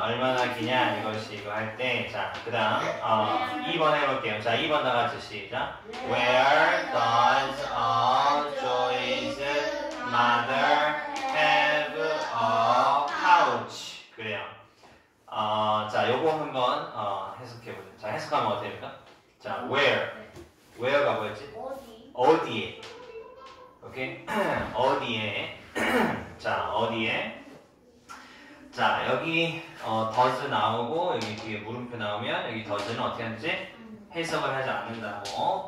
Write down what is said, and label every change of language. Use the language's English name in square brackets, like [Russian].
[Korean] 얼마나 기냐 이것이 이거 할 때. 자, 그다음 2번 해볼게요. 자, 2번 다 같이 시작. [English] Where does a Joy's mother have a pouch? [Korean] 그래요. 자, 요거 한번 해석해보죠. 자, 해석하면 어떻게 될까? 자, where. Where가 뭐였지? 어디. 어디에. 오케이? 어디에. 자, 어디에. 자, 여기 does 나오고 여기 뒤에 물음표 나오면 여기 does는 어떻게 하는지 해석을 하지 않는다고.